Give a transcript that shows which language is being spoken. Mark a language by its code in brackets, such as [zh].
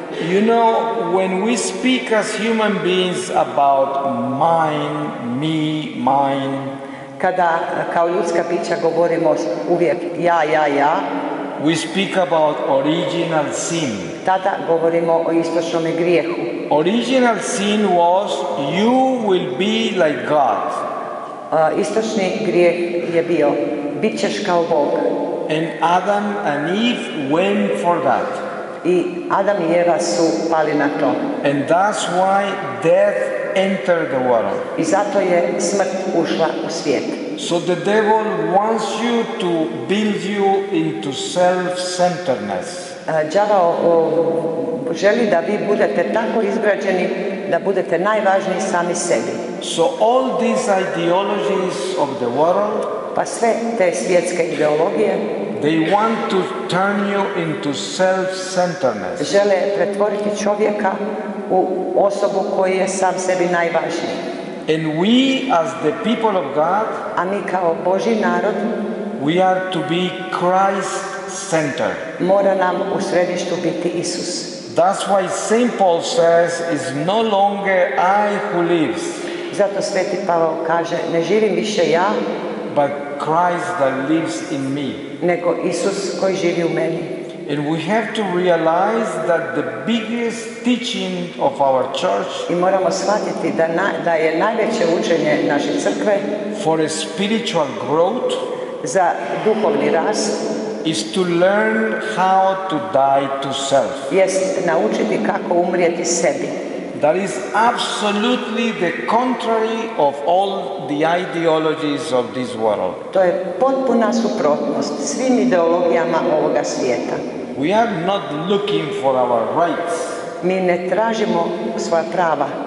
[en] You know, when we speak as human beings about mine, me, mine. [hr] Kada kao ljudska bića govorimo uvijek ja, ja, ja. [en] We speak about original sin. [hr] Tada govorimo o istočnom grijehu. [en] Original sin was you will be like God. [hr] Istočni grijeh je bio bit ćeš kao Bog. [en] And Adam and Eve went for that. [hr] I Adam i Eva su pali na to. [en] And that's why death entered the world. [hr] I zato je smrt ušla u svijet. [en] So the devil wants you to build you into self-centeredness. [hr] Đavao želi da vi budete tako izgrađeni da budete najvažniji sami sebi. [en] So all these ideologies of the world. [hr] Pa sve te svjetske ideologije. [en] They want to turn you into self-centeredness. [hr] Žele pretvoriti čovjeka u osobu koji je sam sebi najvažniji. [en] And we as the people of God, [hr] a mi kao Božji narod, [en] we are to be Christ-centered. [hr] Mora nam u središtu biti Isus. [en] That's why Saint Paul says it's no longer I who lives. [hr] Zato Sveti Pavao kaže ne živim više ja, [en] but Christ that lives in me. [hr] Nego Isus koji živi u meni. [en] And we have to realize that the biggest teaching of our church, [hr] i moramo shvatiti da da je najveće učenje naše crkve, [en] for a spiritual growth, [hr] za duhovni rast, [en] is to learn how to die to self. [hr] Jest naučiti kako umrijeti sebi. [en] That is absolutely the contrary of all the ideologies of this world. [hr] To je potpuna suprotnost svim ideologijama ovoga svijeta. [en] We are not looking for our rights. [hr] Mi ne tražimo svoja prava.